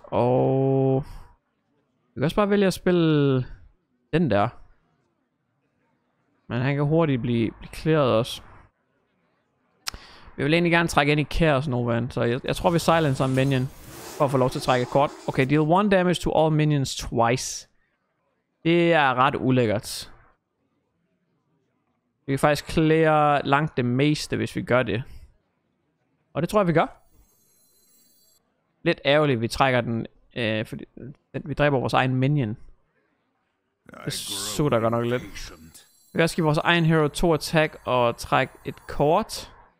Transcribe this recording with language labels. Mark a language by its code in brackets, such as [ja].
[da] Og vi kan også bare vælge at spille den der. Men han kan hurtigt blive clearet også. Vi vil egentlig gerne trække ind i Chaos Nova. Så jeg tror vi silencer en minion for at få lov til at trække et kort. [en] Okay, deal 1 damage to all minions twice. [da] Det er ret ulækkert. Vi kan faktisk clear langt det meste, hvis vi gør det. Og det tror jeg, vi gør. Lidt ærgerligt, vi trækker den, fordi vi dræber vores egen minion. Det sutter godt nok lidt. Vi kan også give vores egen hero 2 attack og trække et kort.